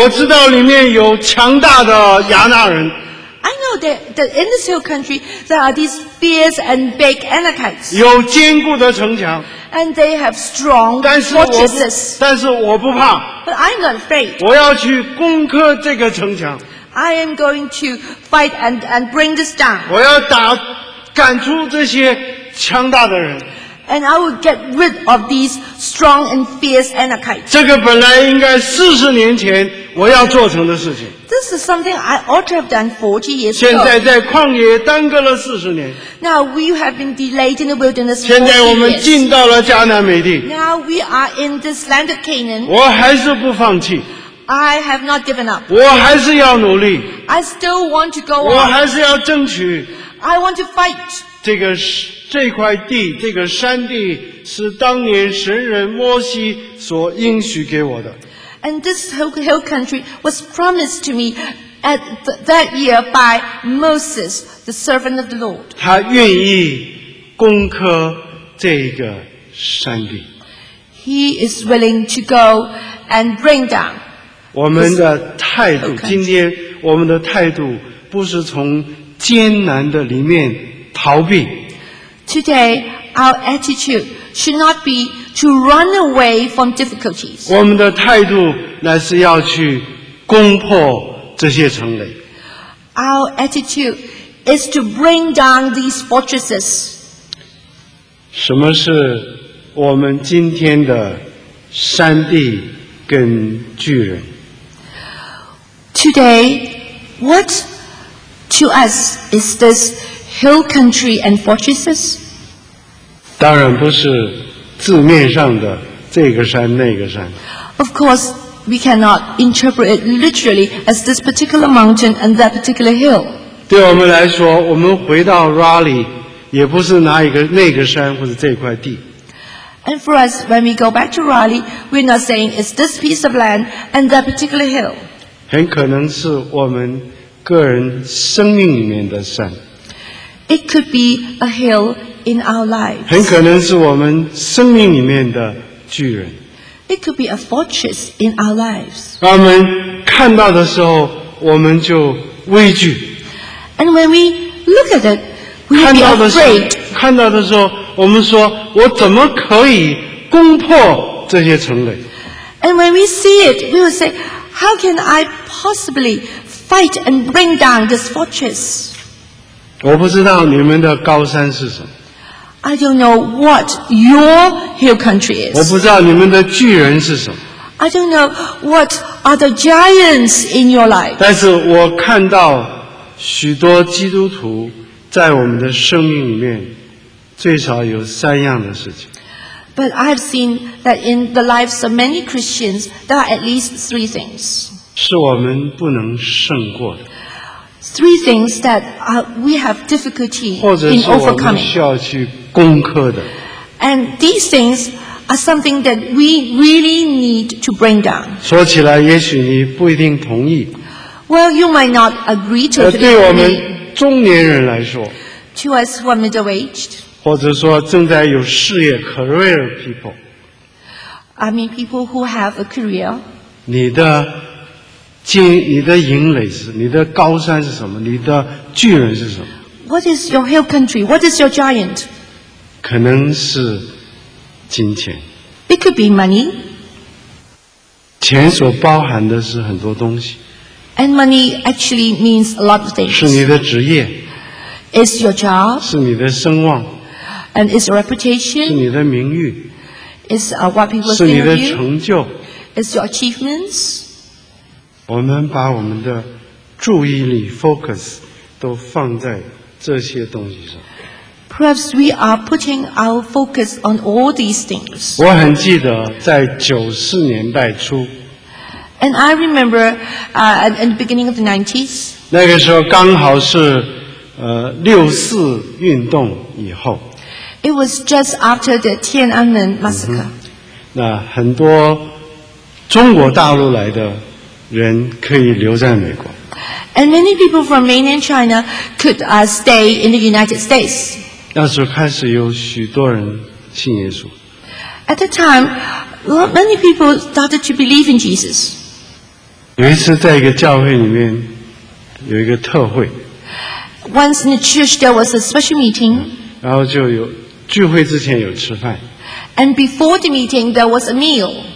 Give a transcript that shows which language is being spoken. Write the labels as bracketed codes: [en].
[zh] 我知道里面有强大的亚纳人 [en] I know that in this hill country there are these fierce and big Anakites. [zh] 有坚固的城墙。 [en] And they have strong fortresses. [zh] 但是我不怕。 [en] But I'm not afraid. [zh] 我要去攻克这个城墙。 [en] I am going to fight and bring this down. [zh] 我要打赶出这些强大的人。 [en] And I will get rid of these strong and fierce Anakites. [zh] 这个本来应该40年前我要做成的事情。 [en] This is something I ought to have done 40 years ago. [zh] 现在在旷野耽搁了40年。 [en] Now we have been delayed in the wilderness 40 years. [zh] 现在我们进到了迦南美地。 [en] Now we are in this land of Canaan. [zh] 我还是不放弃。 [en] I have not given up. [zh] 我还是要努力。 [en] I still want to go on. [zh] 我还是要争取。 [en] I want to fight. [zh] 这个是这块地这个山地是当年神人摩西所应许给我的。 [en] And this hill country was promised to me at that year by Moses, the servant of the Lord. [zh] 他愿意攻克这个山地。 [en] He is willing to go and bring down. [zh] 我们的态度今天我们的态度不是从艰难的里面逃避。 [en] Today, our attitude should not be to run away from difficulties. [zh] 我们的态度乃是要去攻破这些城垒。 [en] Our attitude is to bring down these fortresses. [zh] 什么是我们今天的山地跟巨人？ [en] Today, what to us is this hill country and fortresses? [zh] 当然不是字面上的这个山那个山。 [en] Of course, we cannot interpret it literally as this particular mountain and that particular hill. [zh] 对我们来说，我们回到 Raleigh 也不是拿一个那个山或者这块地。 [en] And for us, when we go back to Raleigh, we're not saying it's this piece of land and that particular hill. [zh] 很可能是我们个人生命里面的山。 [en] It could be a hill. In our lives. [zh] 很可能是我们生命里面的巨人。 [en] It could be a fortress in our lives. [zh] 我们看到的时候，我们就畏惧。 [en] And when we look at it, we will be afraid. [zh] 看到的时候，我们说，我怎么可以攻破这些城垒？ [en] And when we see it, we will say, how can I possibly fight and bring down this fortress? [zh] 我不知道你们的高山是什么。 [en] I don't know what your hill country is. [zh] 我不知道你们的巨人是什么。 [en] I don't know what are the giants in your life. [zh] 但是我看到许多基督徒在我们的生命里面最少有三样的事情。 [en] But I've seen that in the lives of many Christians, there are at least three things. [zh] 是我们不能胜过的。 [en] Three things that we have difficulty in overcoming. [zh] 或者是我们需要去攻克的。 [en] And these things are something that we really need to bring down. [zh] 说起来，也许你不一定同意。 [en] Well, you might not agree to it. [zh] 对我们中年人来说 [en] ，to us who are middle-aged， [zh] 或者说正在有事业 [en] career people， I mean people who have a career. [zh] 你的。你的营垒是你的高山是什么你的巨人是什么 [en] What is your hill country? What is your giant? [zh] 可能是金钱 [en] It could be money [zh] 钱所包含的是很多东西 [en] And money actually means a lot of things [zh] 是你的职业 [en] It's your job [zh] 是你的声望 [en] And it's your reputation [zh] 是你的名誉 [en] It's what people think of you [zh] 是你的成就 [en] It's your achievements [zh] 我们把我们的注意力 focus 都放在这些东西上。 [en] Perhaps we are putting our focus on all these things. [zh] 我很记得在94年代初。 [en] And I remember at the beginning of the 90s. [zh] 那个时候刚好是64运动以后。 [en] It was just after the Tiananmen massacre. [zh] 那很多中国大陆来的人可以留在美国。 [en] And many people from mainland China could stay in the United States. [zh] 那时候开始有许多人信耶稣。 [en] At the time, many people started to believe in Jesus. [zh] 有一次在一个教会里面有一个特会。 [en] once in the church there was a special meeting. [zh] 然后就有聚会之前有吃饭。 [en] And before the meeting, there was a meal.